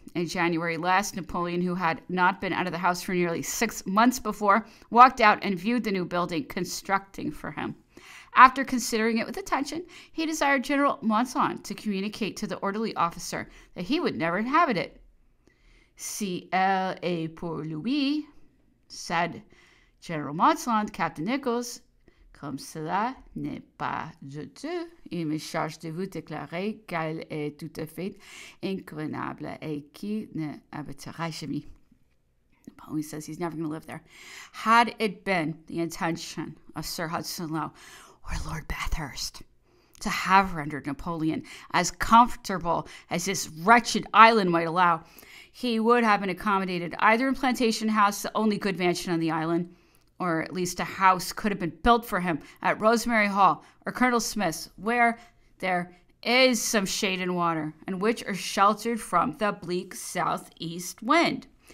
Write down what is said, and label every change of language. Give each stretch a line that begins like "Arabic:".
English: In January last, Napoleon, who had not been out of the house for nearly 6 months before, walked out and viewed the new building constructing for him. After considering it with attention, he desired General Monson to communicate to the orderly officer that he would never inhabit it.
French: Si elle est pour lui,
English: said General Monson,
French: Captain Nichols, comme cela n'est pas du tout, il me charge de vous déclarer qu'elle est tout à fait inconvenable et qu'il ne habitera jamais.
English: Napoleon says he's never going to live there. Had it been the intention of Sir Hudson Lowe or Lord Bathurst to have rendered Napoleon as comfortable as this wretched island might allow, he would have been accommodated either in Plantation House, the only good mansion on the island, or at least a house could have been built for him at Rosemary Hall or Colonel Smith's, where there is some shade and water, and which are sheltered from the bleak southeast wind.